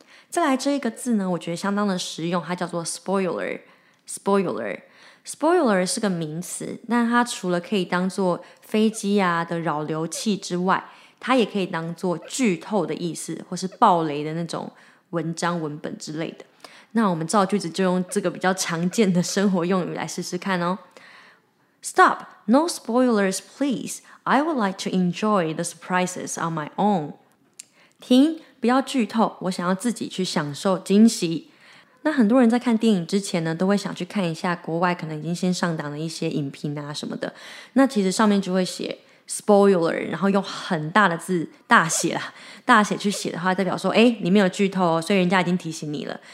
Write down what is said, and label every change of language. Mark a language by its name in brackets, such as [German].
[Chinese] 再来这一个字呢，我觉得相当的实用，它叫做 spoiler 是个名词，但它除了可以当作飞机啊的扰流器之外，它也可以当作剧透的意思，或是爆雷的那种文章文本之类的。那我们造句子就用这个比较常见的生活用语来试试看哦。 [English] Stop! No spoilers, please. I would like to enjoy the surprises on my own. [Chinese] 停！不要剧透，我想要自己去享受惊喜。那很多人在看电影之前呢，都会想去看一下国外可能已经先上档的一些影评啊什么的。那其实上面就会写 spoiler， 然后用很大的字大写啦，大写去写的话，代表说，哎，里面有剧透哦，所以人家已经提醒你了。